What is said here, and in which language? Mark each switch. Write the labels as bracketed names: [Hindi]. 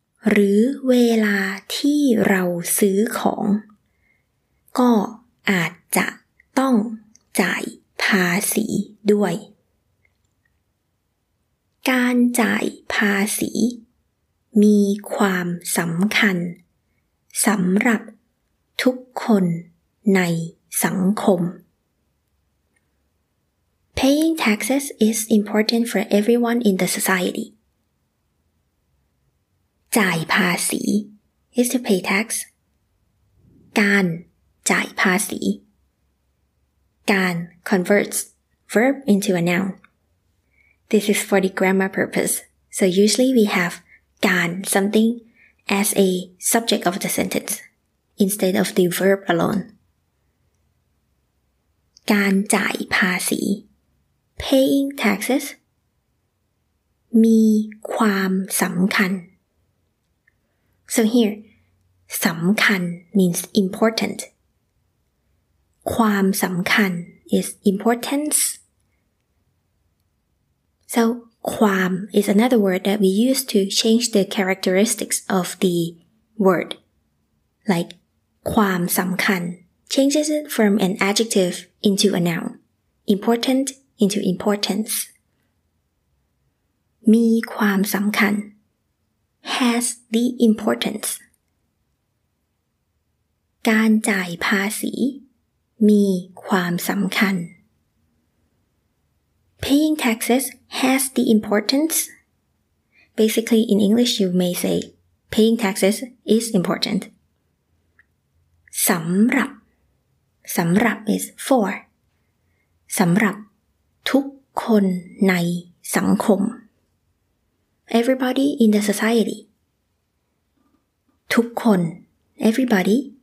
[Thai] หรือเวลาที่เราซื้อของก็อาจจะต้องจ่ายภาษีด้วยการจ่ายภาษีมีความสำคัญสำหรับทุกคนในสังคม [English] Paying taxes is important for everyone in the society [Thai] จ่ายภาษี [English] is to pay tax [Thai] การจ่ายภาษีการ [English] converts verb into a noun this is for the grammar purpose so usually we have การ something as a subject of the sentence instead of the verb alone [Thai] การจ่ายภาษี [English] paying taxes [Thai] มีความสำคัญ [English] So here, สำคัญ means important. ความสำคัญ is importance. So ความ is another word that we use to change the characteristics of the word. Like [Thai] ความสำคัญ [English] changes it from an adjective into a noun. Important into importance. [Thai] มีความสำคัญ [English] has the importance [Thai] การจ่ายภาษีมีความสำคัญ [English] paying taxes has the importance basically in English you may say paying taxes is important [Thai] สำหรับสำหรับ [English] is for [Thai] สำหรับทุกคนในสังคม [English] everybody in the society [Thai] ทุกคน [English] everybody